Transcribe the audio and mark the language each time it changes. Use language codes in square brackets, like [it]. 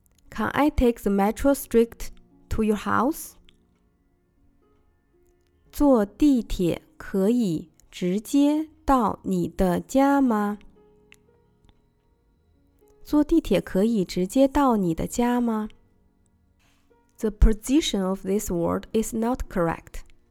[en] Can I take the metro straight to your house? [zh] 坐地铁可以直接到你的家吗？坐地铁可以直接到你的家吗？ [en] The position of this word is not correct.